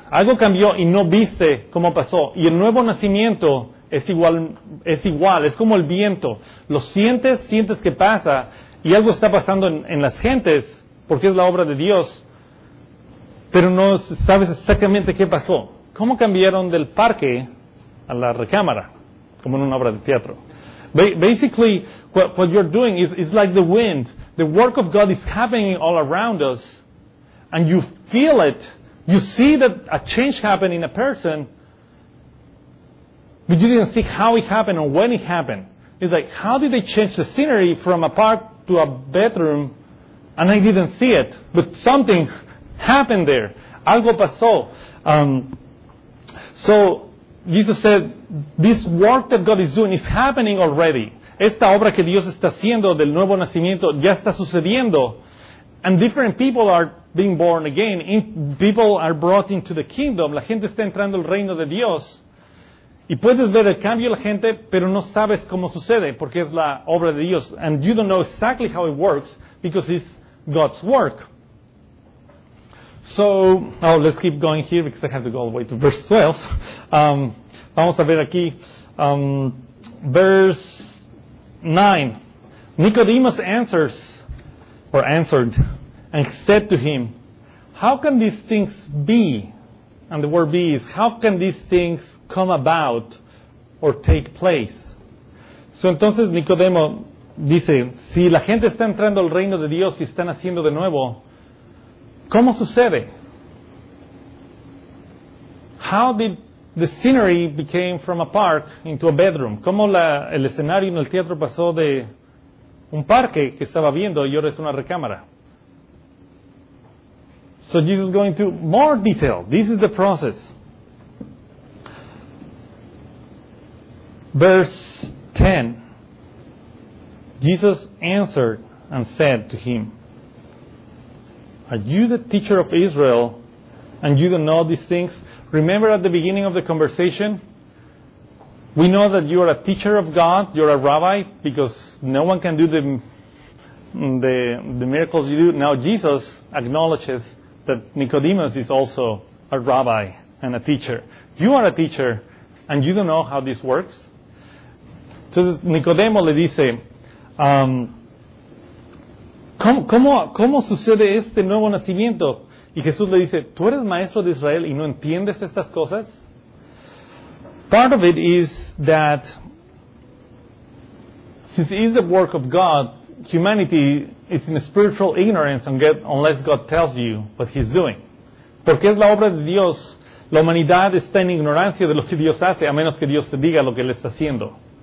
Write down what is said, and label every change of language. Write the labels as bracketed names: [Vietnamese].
[Spanish] Algo cambió y no viste cómo pasó. Y el nuevo nacimiento es igual, es como el viento. Lo sientes que pasa y algo está pasando en las gentes, porque es la obra de Dios, pero no sabes exactamente qué pasó. ¿Cómo cambiaron del parque a la recámara? Como en una obra de teatro. [English] Basically, what you're doing is like the wind. The work of God is happening all around us, and you feel it. You see that a change happened in a person, but you didn't see how it happened or when it happened. It's like, how did they change the scenery from a park to a bedroom, and I didn't see it, but something happened there. [Spanish] Algo pasó. [English] So Jesus said, this work that God is doing is happening already. [Spanish] Esta obra que Dios está haciendo del nuevo nacimiento ya está sucediendo. [English] And different people are being born again. People are brought into the kingdom. [Spanish] La gente está entrando al reino de Dios. Y puedes ver el cambio en la gente, pero no sabes cómo sucede, porque es la obra de Dios. [English] And you don't know exactly how it works, because it's God's work. So, let's keep going here, because I have to go all the way to verse 12. [Spanish] Vamos a ver aquí. [English] Verse 9. Nicodemus answered and said to him, how can these things be? And the word be is, how can these things come about or take place? [Spanish] So entonces Nicodemo dice, si la gente está entrando al reino de Dios y está naciendo de nuevo, ¿cómo sucede? [English] How did the scenery became from a park into a bedroom? [Spanish] ¿Cómo el escenario en el teatro pasó de un parque que estaba viendo y ahora es una recámara? [English] So Jesus is going to more detail. This is the process. Verse 10. Jesus answered and said to him, are you the teacher of Israel and you don't know these things? Remember at the beginning of the conversation, we know that you are a teacher of God, you're a rabbi, because no one can do the miracles you do. Now Jesus acknowledges that Nicodemus is also a rabbi and a teacher. You are a teacher, and you don't know how this works. [Spanish] So Nicodemo le dice, ¿cómo sucede este nuevo nacimiento? Y Jesús le dice, ¿tú eres maestro de Israel y no entiendes estas cosas? [English] Part of it is that since it is the work of God, humanity is in spiritual ignorance unless God tells you what He's doing. [Spanish] Porque es la obra de Dios, la humanidad está en ignorancia de lo que Dios hace, a menos que Dios te diga lo que Él está haciendo.